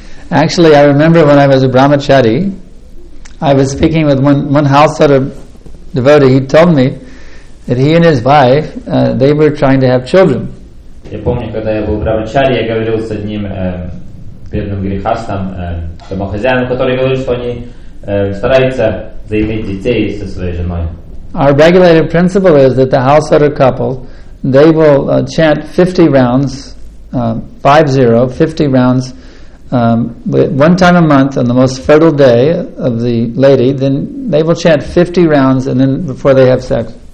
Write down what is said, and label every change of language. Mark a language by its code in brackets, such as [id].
[en] Actually, I remember when I was a brahmachari, I was speaking with one householder devotee. He told me that he and his wife, they were trying to have children. [ru] Я помню, когда я был брамачари, я говорил с одним бедным грехастом, домохозяином, который говорил, что они стараются заиметь детей со своей женой. [en] Our regulated principle is that the householder couple they will chant 50 rounds, 50, 50 rounds, one time a month on the most fertile day of the lady. Then they will chant 50 rounds, and then before they have sex.